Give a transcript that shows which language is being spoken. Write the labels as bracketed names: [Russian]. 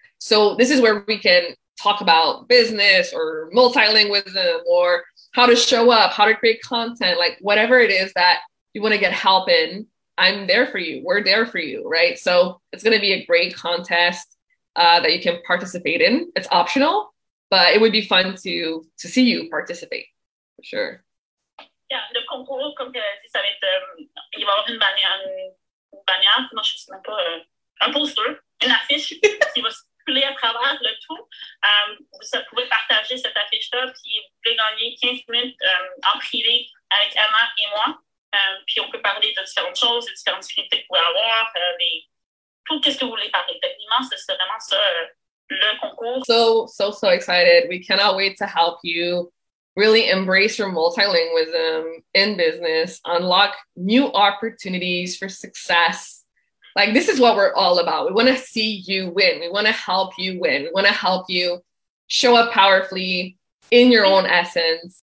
[English] So this is where we can talk about business or multilingualism or how to show up, how to create content, like whatever it is that you want to get help in, I'm there for you. We're there for you, right? So it's going to be a great contest that you can participate in. It's optional, but it would be fun to see you participate, for sure. Yeah, [French] le concours, comme tu dis, ça va être, il va y avoir une bannière, moi je sais même pas, un poster, une affiche qui va se couler à travers le tout. Vous pouvez partager cette affiche-là, puis vous pouvez gagner 15 minutes en privé avec Emma et moi. Puis on peut parler de différentes choses, de différentes difficultés que vous pouvez avoir, mais tout ce que vous voulez parler. Techniquement, c'est vraiment ça. [English] So excited. We cannot wait to help you really embrace your multilingualism in business, unlock new opportunities for success. Like, this is what we're all about. We want to see you win. We want to help you win. We want to help you show up powerfully in your own essence.